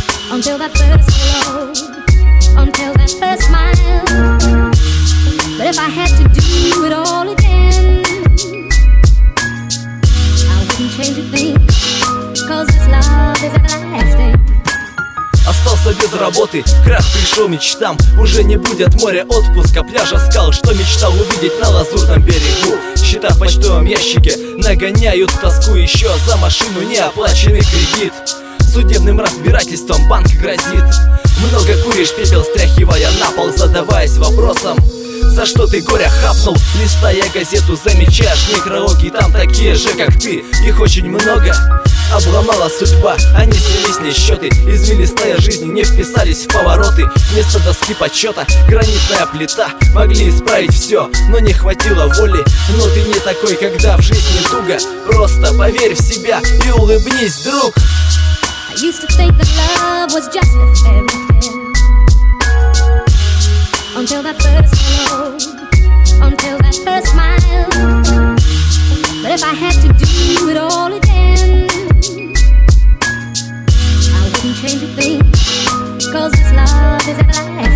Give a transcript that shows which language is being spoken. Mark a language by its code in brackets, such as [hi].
[en] Until that first hello, until that first smile. But if I had to do it all again, I wouldn't change a thing, 'cause this love is everlasting. [ru] Остался без работы, крах пришел мечтам. Уже не будет моря отпуска, пляжа, скал. Что мечтал увидеть на лазурном берегу. Счета в почтовом ящике нагоняют тоску. Еще за машину неоплаченный кредит. Судебным разбирательством банк грозит. Много куришь, пепел стряхивая на пол, задаваясь вопросом, за что ты горя хапнул. Листая газету, замечаешь некрологи. Там такие же, как ты, их очень много. Обломала судьба, они слились несчеты. Извилистая жизнь, не вписались в повороты. Вместо доски почета, гранитная плита. Могли исправить все, но не хватило воли. Но ты не такой, когда в жизни туго. Просто поверь в себя и улыбнись, друг. [en] I used to think that love was just a fairy tale. Until that first hello, until that first smile. But if I had to do it all again, I wouldn't change a thing, 'cause this love is everlasting.